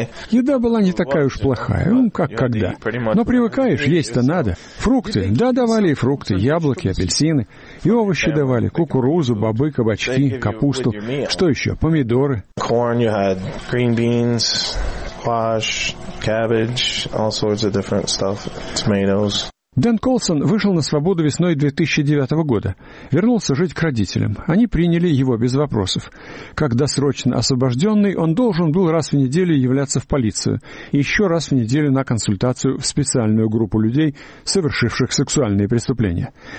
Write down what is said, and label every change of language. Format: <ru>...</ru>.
<ru>Еда была не такая уж плохая. Как когда. Но привыкаешь, есть-то надо. Фрукты. Да, давали и фрукты, яблоки, апельсины. И овощи давали. Кукурузу, бобы, кабачки, капусту. Что еще? Помидоры.</ru> <en>Corn, you had green beans, squash, cabbage, all sorts of different stuff, tomatoes.</en> <ru>Дэн Колсон вышел на свободу весной 2009 года. Вернулся жить к родителям. Они приняли его без вопросов. Как досрочно освобожденный, он должен был раз в неделю являться в полицию. И еще раз в неделю на консультацию в специальную группу людей, совершивших сексуальные преступления.</ru>